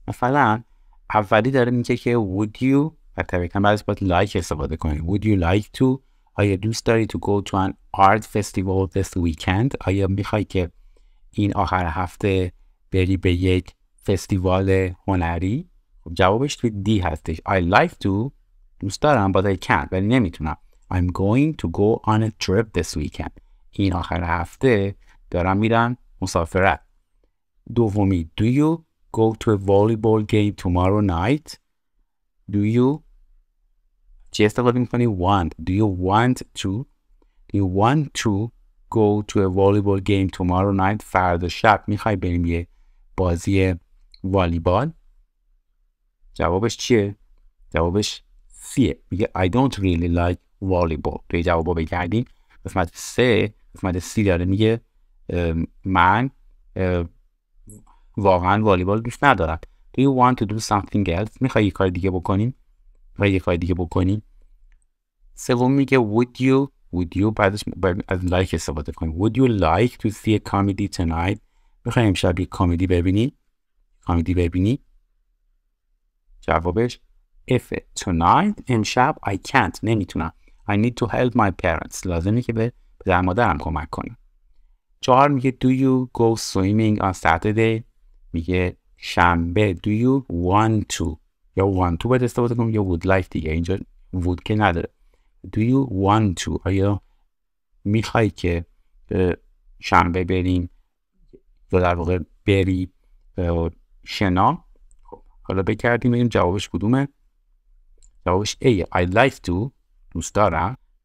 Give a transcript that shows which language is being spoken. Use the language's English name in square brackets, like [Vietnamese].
[Persian] مثلا اولی داره میگه که [English] Would you [Persian] طبیقاً بعدش باید like استفاده کنید. [English] Would you like to? [Persian] آیا دوست داری [English] to go to an art festival this weekend؟ [Persian] آیا میخوای که این آخر هفته بری به یک فستیوال هنری؟ جوابش توی D هستش. [English] I like to. [Persian] دوست دارم [English] but I can't. [Persian] ولی نمیتونم. [English] I'm going to go on a trip this weekend. [Persian] این آخر هفته دارم میرم مسافرت. دومی. [English] Do you go to a volleyball game tomorrow night? Do you [Persian] چی استفاده میکنی؟ [English] want. Do you want to? Do you want to go to a volleyball game tomorrow night? [Persian] فردا شب میخوای بریم یه بازی والیبال؟ جوابش چیه؟ جوابش سیه. میگه [English] I don't really like volleyball. [Persian] توی جوابا بگردیم. قسمت سه، قسمت سی داره میگه من واقعا والیبال دوست ندارم. [English] Do you want to do something else? [Persian] میخوای یک کار دیگه بکنیم؟ میخوای یک کار دیگه بکنیم؟ سوم میگه [English] Would you [Persian] بعدش از like استفاده کنیم. [English] Would you like to see a comedy tonight? [Persian] میخوای امشب یک کامیدی ببینی؟ کامیدی ببینی؟ جوابش [English] If tonight [Persian] امشب [English] I can't [Persian] نمیتونم. [English] I need to help my parents. [Persian] لازمی که به پدر مادرم کمک کنیم. چهار میگه [English] Do you go swimming on Saturday? [Persian] میگه شنبه [English] Do you want to [Persian] یا want to باید استفاده کنم یا [English] would like [Persian] دیگه اینجا would که نداره Do you want to آیا میخوای که شنبه بریم یا در واقع بری شنا حالا بکردیم بگیم جوابش کدومه جوابش A [English] I'd like to [Persian] دوست دارم